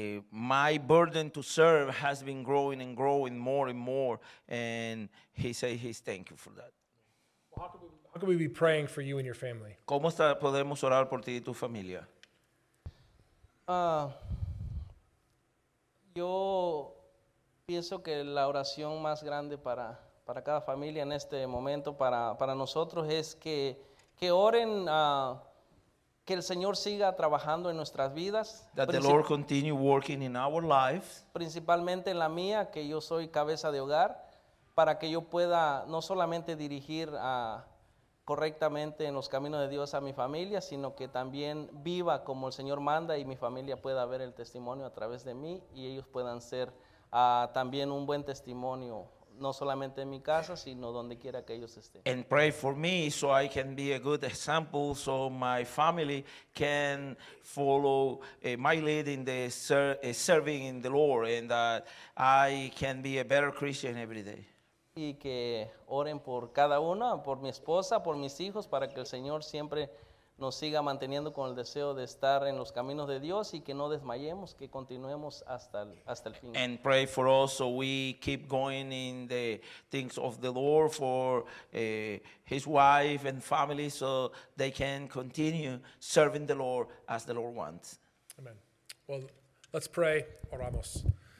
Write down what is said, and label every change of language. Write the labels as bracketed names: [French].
[English] My burden to serve has been growing and growing more and more. And he said he's thank you for that. Well, how can we be praying for you and your family? [Spanish] ¿Cómo podemos orar por ti y tu familia? Yo pienso que la oración más grande para cada familia en este momento, para nosotros, es que oren, que el Señor siga trabajando en nuestras vidas. [English] That the Lord continue working in our lives. [Spanish] Principalmente en la mía, que yo soy cabeza de hogar, para que yo pueda no solamente dirigir correctamente en los caminos de Dios a mi familia, sino que también viva como el Señor manda y mi familia pueda ver el testimonio a través de mí y ellos puedan ser también un buen testimonio, no solamente en mi casa, sino donde quiera que ellos estén. [English] And pray for me so I can be a good example so my family can follow my lead in the serving in the Lord and that I can be a better Christian every day. [Spanish] Y que oren por cada uno, por mi esposa, por mis hijos, para que el Señor siempre nos siga manteniendo con el deseo de estar en los caminos de Dios y que no desmayemos, que continuemos hasta el fin. [English] And pray for us so we keep going in the things of the Lord for his wife and family so they can continue serving the Lord as the Lord wants. Amen. Well, let's pray. [Spanish] Oramos.